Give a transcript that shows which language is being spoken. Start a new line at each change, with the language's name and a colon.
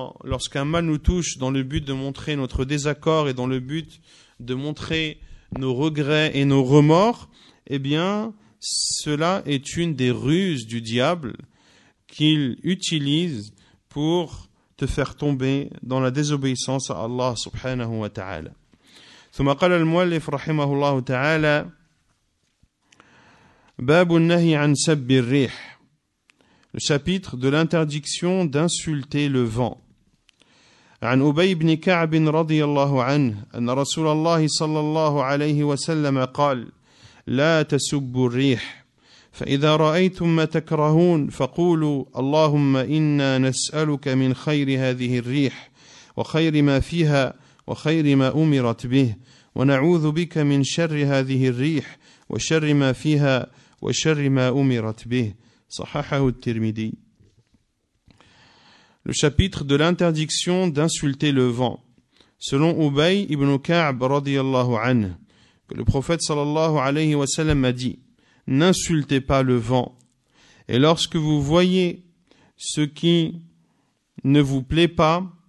French: lorsqu'un mal nous touche dans le but de montrer notre désaccord et dans le but de montrer nos regrets et nos remords, eh bien, cela est une des ruses du diable qu'il utilise pour te faire tomber dans la désobéissance à Allah subhanahu wa ta'ala.
Arabic: ثم قال المؤلف رحمه الله تعالى باب النهي عن سب الريح.
French: Le chapitre de l'interdiction d'insulter le vent.
Arabic: عن أبي بن كعب رضي الله عنه أن رسول الله صلى الله عليه وسلم قال لا تسبوا الريح فإذا رأيتم ما تكرهون فقولوا اللهم إنا نسألك من خير هذه الريح وخير ما فيها وخير ما أمرت به ونعوذ بك من شر هذه الريح وشر ما فيها وشر ما أمرت به. صححه الترمذي.
French: Le chapitre de l'interdiction d'insulter le vent. Selon Ubay ibn Ka'b radiyallahu anhu, que le prophète sallallahu alayhi wa sallam a dit: n'insultez pas le vent, et lorsque vous voyez ce qui ne vous plaît pas,